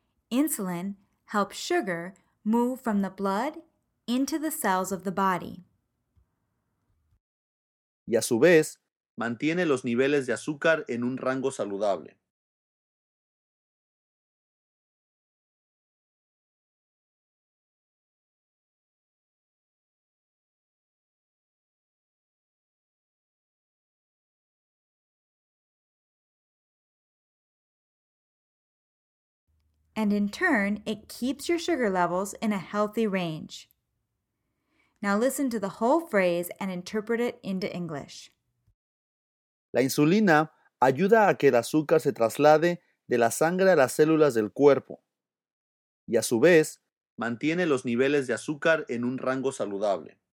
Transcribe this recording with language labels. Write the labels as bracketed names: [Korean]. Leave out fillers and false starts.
[English] Insulin helps sugar move from the blood into the cells of the body. [Spanish] Y a su vez, mantiene los niveles de azúcar en un rango saludable. [English] And in turn, it keeps your sugar levels in a healthy range. Now listen to the whole phrase and interpret it into English. [Spanish] La insulina ayuda a que el azúcar se traslade de la sangre a las células del cuerpo y a su vez mantiene los niveles de azúcar en un rango saludable.